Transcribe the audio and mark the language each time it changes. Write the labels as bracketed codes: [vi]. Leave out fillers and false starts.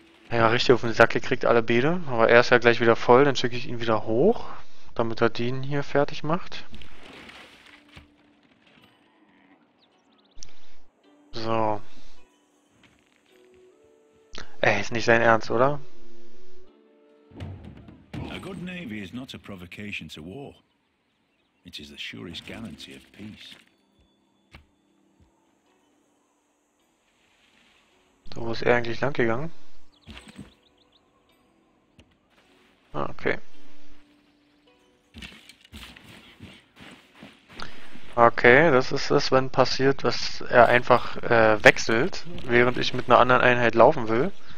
[de] Ja, richtig auf den Sack gekriegt, alle Beete. Aber er ist ja gleich wieder voll, dann schicke ich ihn wieder hoch, damit er den hier fertig macht. So. Ey, ist nicht sein Ernst, oder? [en] A good navy is not a provocation to war. It is the surest guarantee of peace. [de] So, wo ist er eigentlich lang gegangen? Ah, okay. Okay, das ist es, wenn passiert, dass er einfach wechselt, während ich mit einer anderen Einheit laufen will.